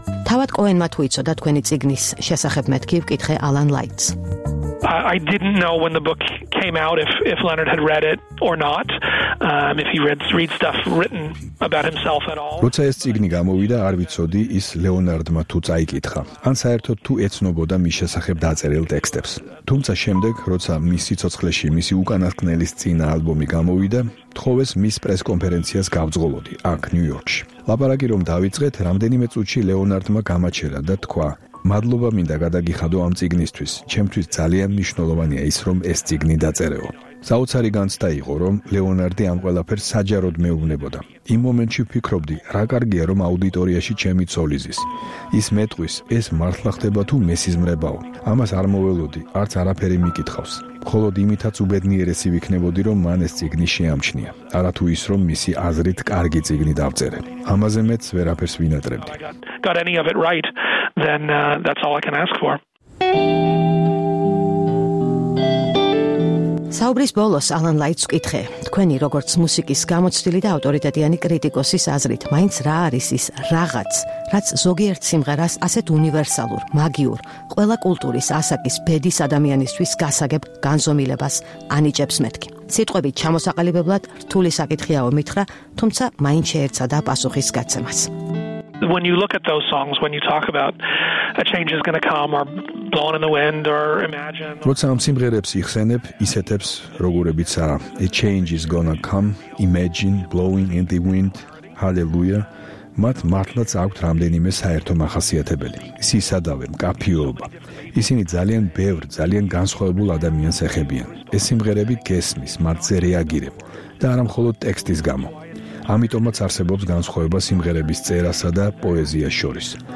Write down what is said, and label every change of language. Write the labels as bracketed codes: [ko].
[ka] თავად კოენმა თუ იცოდა თქვენი წიგნის შესახებ მეთქი, ვკითხე Alan Lights. [en] I didn't know when the book came out if Leonard had read it or not, if he read stuff written about himself at all. [ka] როცა ეს წიგნი გამოვიდა, არ ვიცოდი ის ლეონარდმა თუ წაიკითხა, ან საერთოდ თუ ეცნობოდა მის შესახებ დაწერილ ტექსტებს. თუმცა შემდეგ, როცა მის სიცოცხლეში მისი უკანასკნელის წინა ალბომი გამოვიდა, თხოვეს მის პრეს კონფერენციას გავძღოლოდი აქ ნიუ-იორკში. ლაპარაკი რომ დავიწყეთ, რამდენიმე წუთში ლეონარდმა გამაჩერა და თქვა: მადლობა მინდა გადაგიხადო ამ წიგნისთვის. ჩემთვის ძალიან მნიშვნელოვანია ის, რომ ეს წიგნი დაწერეო. საოცარი განცდა იყო, რომ ლეონარდი ამ ყველაფერს საჯაროდ მეუბნებოდა. იმ მომენტში ფიქრობდი, რა კარგია, რომ აუდიტორიაში ჩემი ცოლი ზის. ის მეტყვის, ეს მართლა ხდება თუ მესიზმრებაო. ამას არ მოველოდი, არც არაფერი მიკითხავს. მხოლოდ იმითაც უბედნიერესი ვიქნებოდი, რომ მან ეს წიგნი შეამჩნია. არა თუ ის, რომ მისი აზრით კარგი წიგნი დავწერე. ამაზე მეც ვერაფერს ვინატრებდი. [en] Got any of it right, then that's all I can ask for. [ka] საუბრის ბოლოს Alan Lights კითხე, თქვენი როგორც მუსიკის გამოცდილი და ავტორიტეტიანი კრიტიკოსის აზრით, მაინც რა არის ის რაღაც, რაც ზოგიერთ სიმღერას ასეთ უნივერსალურ, მაგიურ, ყველა კულტურის ასაკის ბედის ადამიანისთვის გასაგებ განზომილებას ანიჭებს მეთქი? სიტყვები ჩამოსაყალიბებლად რთული საკითხია ომითხრა, თუმცა მაინც შეერცადა პასუხის გაცემას. [en] When you look at those songs, when you talk about a change is going to come or blown in the wind or imagine. [ka] როცა ამ სიმღერებს იხსენებ, ისეთებს, როგორებიც არა, a change is going to come, imagine, blowing in the wind, hallelujah. მათ მართლაც აქვთ რამდენიმე საერთო მახასიათებელი. ის ისადავე მკაფიობა. ისინი ძალიან ბევრ, ძალიან განსხვავებულ ადამიანს ეხებიან. ეს სიმღერები გესმის, მარტო რეაგირებ და არა მხოლოდ ტექსტის გამო. ამიტომაც არსებობს განსხვავება სიმღერების წერასა და პოეზიას შორის.